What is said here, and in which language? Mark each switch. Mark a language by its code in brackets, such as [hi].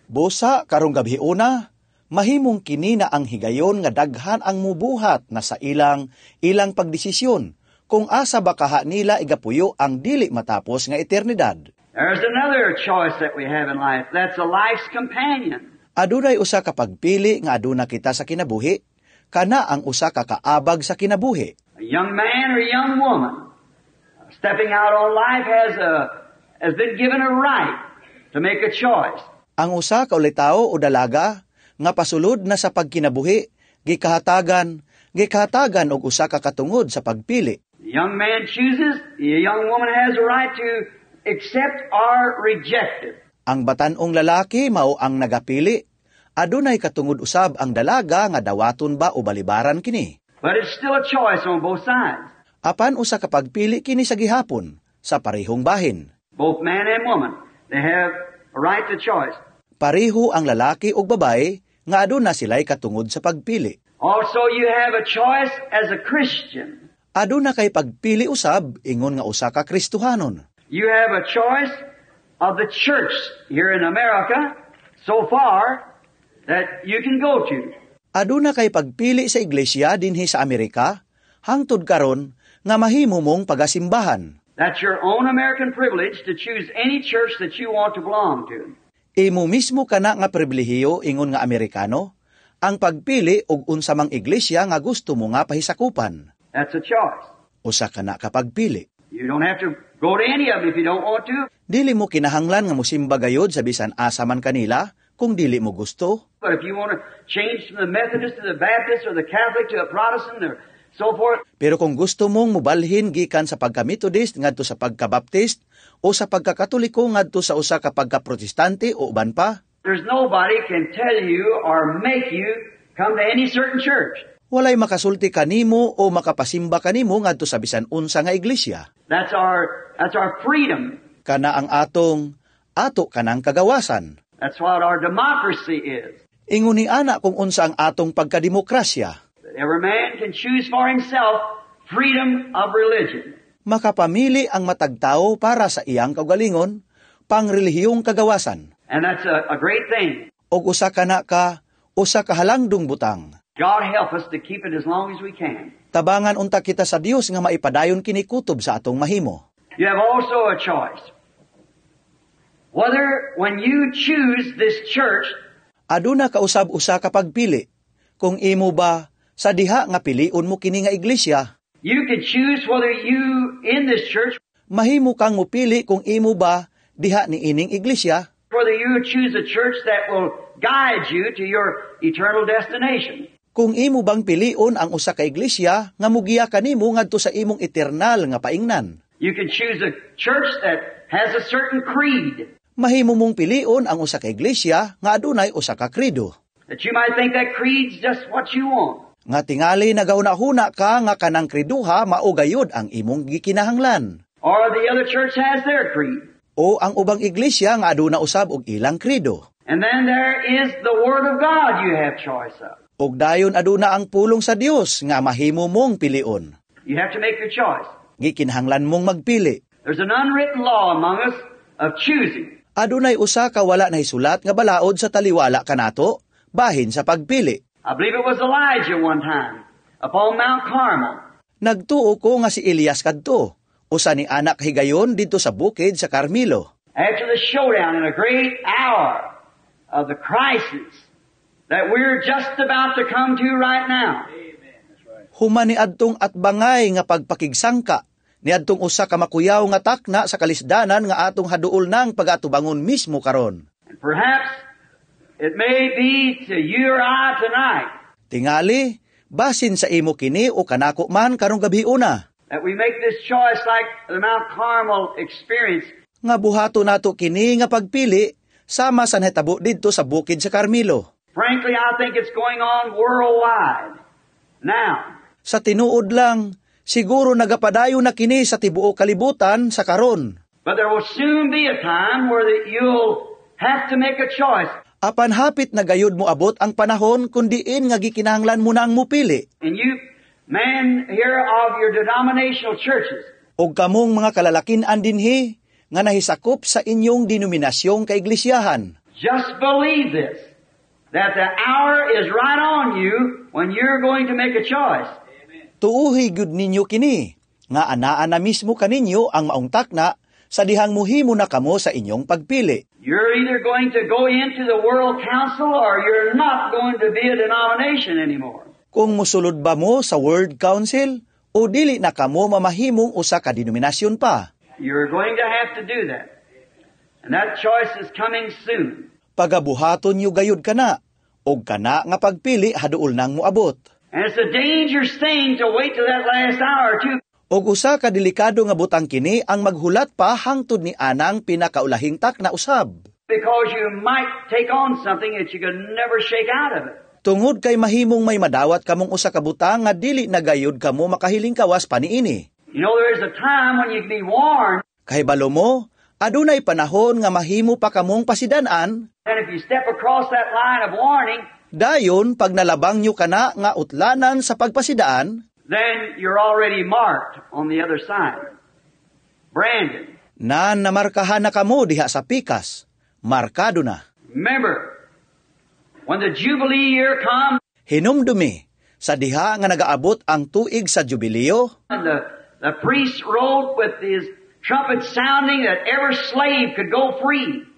[ceb] Busa, karong gabi una, mahimong kini na ang higayon nga daghan ang mubuhat na sa ilang pagdesisyon kung asa bakaha nila igapuyo ang dili matapos nga eternidad. [en] There's another choice that we have in life. That's a life's companion. [ceb] Adunay usa ka pagpili nga aduna kita sa kinabuhi, kana ang usa ka kaabag sa kinabuhi. [en] A young man or a young woman stepping out on life has been given a right to make a choice. [ceb] Ang usa ka ulitao o dalaga nga pasulod na sa pagkinabuhi, gikahatagan og usa ka katungod sa pagpili. [en] A young man chooses, a young woman has a right to except or rejected. [ceb] Ang batanong lalaki mao ang nagapili. Adunay katungod usab ang dalaga nga dawaton ba o balibaran kini. [en] But it's still a choice on both sides. [ceb] Apan usa ka pagpili kini sa gihapon sa parehong bahin. [en] Both man and woman, they have a right to choice. [ceb] Pareho ang lalaki ug babaye nga aduna silay katungod sa pagpili. [en] Also you have a choice as a Christian. [ceb] Aduna kay pagpili usab ingon nga usa ka Kristuhanon. [en] You have a choice of the church here in America so far that you can go to. [ceb] Aduna kay pagpili sa iglesia dinhi sa Amerika hangtod karon nga mahimo mong pagasimbahan. [en] That's your own American privilege to choose any church that you want to belong to. [ceb] Imo mismo kana nga pribilehiyo ingon nga Amerikano ang pagpili og unsamang iglesia nga gusto mo nga pahisakupan. [en] That's a choice. [ceb] Usa ka na kapagpili. [en] You don't have to go to any of them if you don't want to. [ceb] Dili mo kinahanglan nga musimba gayod sa bisan asa man kanila kung dili mo gusto. [en] But if you want to change from the Methodist to the Baptist or the Catholic to a Protestant or so forth. [ceb] Pero kung gusto mong mubalhin gikan sa pagka-Methodist ngadto sa pagka-Baptist o sa pagka-Katoliko ngadto sa usa ka pagka-Protestante o uban pa. [en] There's nobody can tell you or make you come to any certain church. [ceb] Walay makasulti kanimo o makapasimba kanimo ngadto sa bisan unsa nga iglesia. [en] That's our freedom. [ceb] Kana ang atong ato kanang kagawasan. [en] That's what our democracy is. [ceb] Inguni ana kung unsa ang atong pagkademokrasya. [en] Every man can choose for himself freedom of religion. [ceb] Makapamili ang matag tawo para sa iyang kaugalingon pangrelihiyong kagawasan. [en] And that's a great thing. [ceb] Og usa kana ka usa ka halangdong butang. [en] God help us to keep it as long as we can. [ceb] Tabangan unta kita sa Dios nga maipadayon kini kutob sa atong mahimo. [en] You have also a choice. Whether when you choose this church, [ceb] aduna ka usab usa ka pagpili kung imo ba sa diha nga piliun mo kini nga iglesia. [en] You can choose whether you in this church, [ceb] mahimo kang mopili kung imo ba diha ni ining iglesia. [en] Whether you choose a church that will guide you to your eternal destination. [ceb] Kung imo bang piliun ang usa ka iglesia nga mugiya kanimo ngadto sa imong eternal nga paingnan. [en] You can choose a church that has a certain creed. [ceb] Mahimo mong piliun ang usa ka iglesia nga adunay usa ka kredo. [en] That you might think that creed's just what you want. [ceb] Nga tingali nagahuna-huna ka nga kanang kreduha mao gayud ang imong gikinahanglan. [en] Or the other church has their creed. [ceb] O ang ubang iglesia nga aduna usab og ilang kredo. [en] And then there is the word of God you have choice of. [ceb] Og dayon aduna ang pulong sa Dios nga mahimo mong piliun. [en] You have to make your choice. [ceb] Gikinahanglan mong magpili. [en] There's an unwritten law among us of choosing. [ceb] Adunay usa ka wala na isulat nga balaod sa taliwala kanato bahin sa pagpili. [en] I believe it was Elijah one time upon Mount Carmel. [ceb] Nagtuo ko nga si Elias kadto. Usa ni anak higayon dito sa bukid sa Carmelo. [en] After the showdown in a great hour of the crisis that we're just about to come to right now. [ceb] Humani adtong atbangay nga pagpakigsangka ni adtong usa ka makuyaw nga takna sa kalisdanan nga atong haduol nang pag-atubangon mismo karon. [en] Perhaps it may be to you or I tonight. [ceb] Tingali, basin sa imo kini o kanako man karong gabi una. [en] That we make this choice like the Mount Carmel experience. [ceb] Nga buhato nato kini nga pagpili sama sa nahitabo dito sa bukid sa Carmelo. [en] Frankly, I think it's going on worldwide. Now, [ceb] sa tinuod lang, siguro nagapadayo na kini sa tibuo kalibutan sa karon. [en] But there will soon be a time where you'll have to make a choice. [ceb] Apan hapit na gayud mo abot ang panahon kundiin nga gikinahanglan mo na ang mupili. [en] And you, men here of your denominational churches, [ceb] og kamong mga kalalakin andinhi nga nahisakop sa inyong denominasyong kaiglesiahan. [en] Just believe this. That the hour is right on you when you're going to make a choice. [ceb] Tuuhi gud ninyo kini, nga anaan na mismo kaninyo ang maong takna sa dihang muhimo na kamo sa inyong pagpili. [en] You're either going to go into the World Council or you're not going to be a denomination anymore. [ceb] Kung musulod ba mo sa World Council, o dili na kamo mamahimong usa ka denominasyon pa. [en] You're going to have to do that. And that choice is coming soon. [ceb] Pagabuhaton niyo gayud kana, og kana nga pagpili haduol nang muabot. [en] And it's a dangerous thing to wait till that last hour too. [ceb] Og usa ka delikado nga butang kini ang maghulat pa hangtod ni anang pinakaulahing takna usab. [en] Because you might take on something that you could never shake out of it. [ceb] Tungod kay mahimong may madawat kamong usa ka butang nga dili na gayud kamo makahiling kawas paniini. [en] You know there is a time when you can be warned. [ceb] Kay balo mo, adunay panahon nga mahimo pa kamong pasidanan. [en] And if you step across that line of warning, [ceb] dayon pag nalabang nyo kana nga utlanan sa pagpasidaan, [en] then you're already marked on the other side. Brandon. [ceb] Na namarkahan na kamo diha sa pikas. Markado na. [en] Remember, when the Jubilee year comes, [ceb] hinumdumi sa diha nga nagaabot ang tuig sa Jubileo, [en] and the priest rode with his trumpet sounding that every slave could go free.